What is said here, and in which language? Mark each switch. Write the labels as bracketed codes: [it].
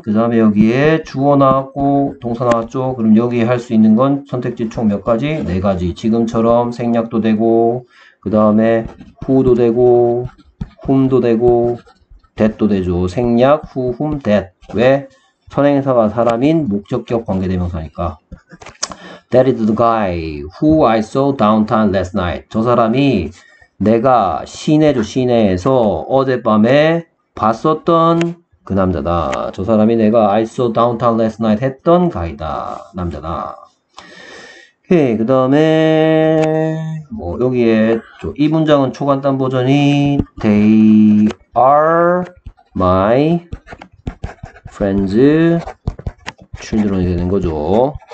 [ko] 그 다음에 여기에 주어 나왔고 동사 나왔죠. 그럼 여기에 할수 있는 건 선택지 총몇 가지? 네 가지. 지금처럼 생략도 되고 그 다음에 who도 되고 whom도 되고 that도 되죠. 생략 who, whom, that. 왜? 선행사가 사람인 목적격 관계대명사니까. [en] That is the guy who I saw downtown last night. [ko] 저 사람이 내가 시내죠, 시내에서 어젯밤에 봤었던 그 남자다. 저 사람이 내가 [en] I saw downtown last night [ko] 했던 가이다. 남자다. 오케이. 그 다음에, 뭐, 여기에, 이 문장은 초간단 버전이 [en] They are my Friends, children [ko] 이 되는 거죠.